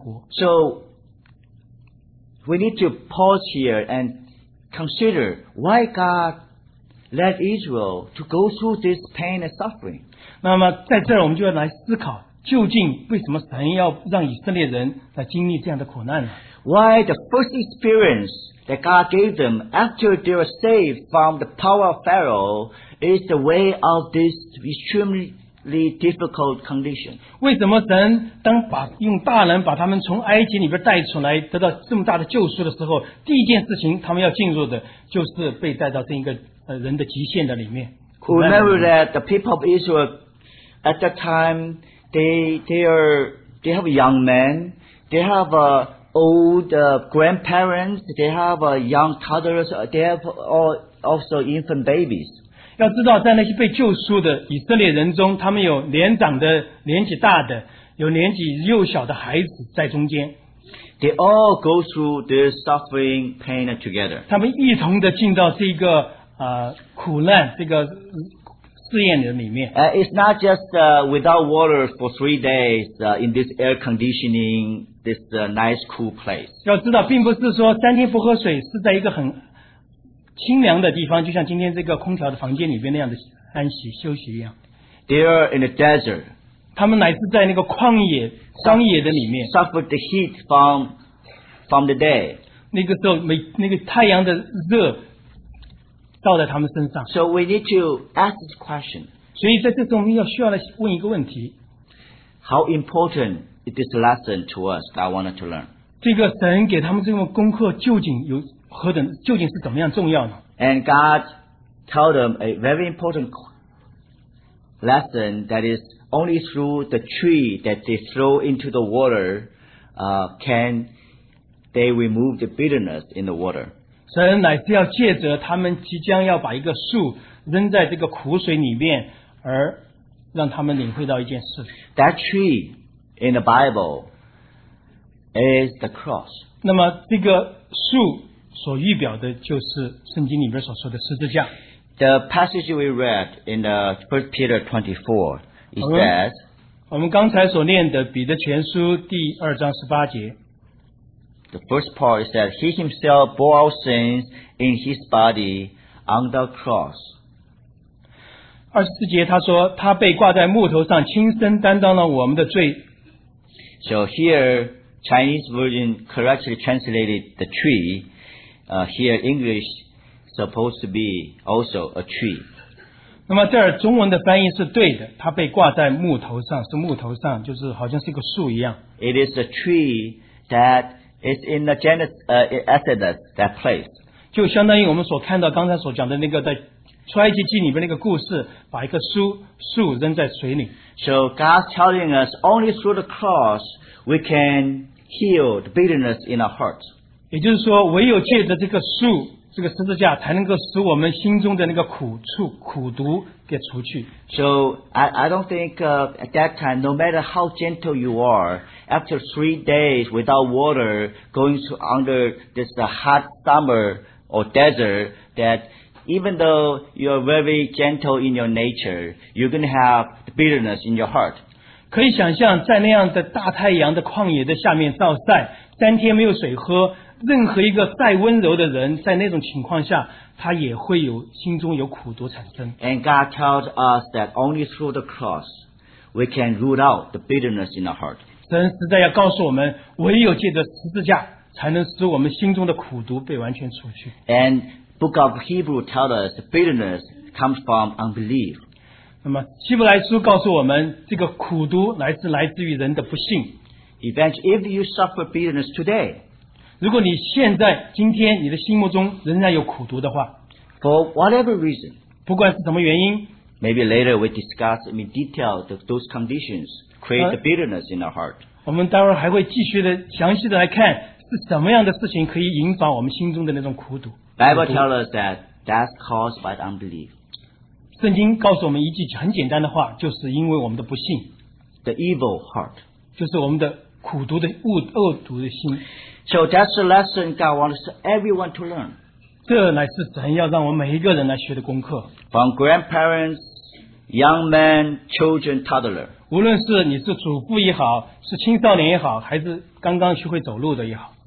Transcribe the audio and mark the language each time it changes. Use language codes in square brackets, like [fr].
[en] So we need to pause here and consider why God led Israel to go through this pain and suffering. [zh] 那么在这儿我们就要来思考，究竟为什么神要让以色列人来经历这样的苦难呢？ [en] Why the first experience that God gave them after they were saved from the power of Pharaoh? Is the way of this extremely difficult condition. [zh] 为什么神当把用大能把他们从埃及里边带出来，得到这么大的救赎的时候，第一件事情他们要进入的就是被带到这一个人的极限的里面。 [en] Remember that the people of Israel at that time they have young men, they have old grandparents, they have young toddlers, they have also infant babies. [zh] 要知道在那些被救赎的以色列人中他们有年长的年纪大的有年纪幼小的孩子在中间 [en] They all go through this suffering pain together [zh] 他们一同的进到这个苦难这个试验的里面 [en] It's not just without water for 3 days in this air conditioning this nice cool place [zh] 要知道并不是说三天不喝水是在一个很清凉的地方就像今天这个空调的房间里边那样的安息休息一样 [en] They are in the desert [zh] 他们乃是在那个旷野荒野的里面 [en] Suffer the heat from the day [zh] 那个时候那个太阳的热照在他们身上 [en] So we need to ask this question [zh] 所以在这中我们要需要来问一个问题。 [en] How important is this lesson to us that I wanted to learn? [zh] 这个神给他们这种功课究竟有何等，究竟是怎么样重要呢？ [en] And God told them a very important lesson that is only through the tree that they throw into the water, can they remove the bitterness in the water. [zh] 神乃是要借着他们即将要把一个树扔在这个苦水里面而让他们领会到一件事。 [en] That tree in the Bible is the cross. [zh] 那么这个树所预表的就是圣经里面所说的十字架。 [en] The passage we read in the 1 Peter 24 is that [zh] 我们刚才所念的彼得前书第二章十八节。 [en] The first part is that he himself bore our sins in his body on the cross. [zh] 二十四节他说他被挂在木头上亲身担当了我们的罪。 [en] So here, Chinese version correctly translated the tree. Here English supposed to be also a tree. [zh] 那么这儿中文的翻译是对的，它被挂在木头上，是木头上，就是好像是一个树一样。 [en] It is a tree that is in the Exodus that place. [zh] 就相当于我们所看到刚才所讲的那个在出埃及记里面那个故事，把一个树扔在水里。 [en] So God's telling us only through the cross we can heal the bitterness in our hearts. [zh] 也就是说，唯有借着这个树。这个十字架才能够使我们心中的那个苦毒给除去。 [en] So I don't think at that time, no matter how gentle you are, after 3 days without water, going under this hot summer or desert, that even though you are very gentle in your nature, you're going to have the bitterness in your heart. [zh] 可以想象在那样的大太阳的旷野的下面暴晒，三天没有水喝。任何一个再温柔的人在那种情况下他也会有心中有苦毒产生。 [en] And God tells us that only through the cross we can root out the bitterness in our heart. [zh] 神实在要告诉我们唯有借着十字架才能使我们心中的苦毒被完全除去。 [en] And book of Hebrew tells us the bitterness comes from unbelief. [zh] 那么希伯来书告诉我们这个苦毒来自于人的不信。 [en] Eventually, if you suffer bitterness today, [zh] 如果你现在今天你的心目中仍然有苦毒的话 [en] For whatever reason [zh] 不管是什么原因 [en] Maybe later we discuss in detail those conditions create the bitterness in our heart [zh] 我们待会儿还会继续的详细的来看是什么样的事情可以引发我们心中的那种苦毒 [en] Bible tells us that that's caused by unbelief [zh] 圣经告诉我们一句很简单的话就是因为我们的不信 [en] The evil heart [zh] 就是我们的苦毒的恶毒的心。 [en] So that's the lesson God wants everyone to learn. [zh] 这乃是神要让我们每一个人来学的功课。 [en] From grandparents, young men, children, toddler. [zh] 无论是你是祖父也好，是青少年也好，还是刚刚学会走路的也好。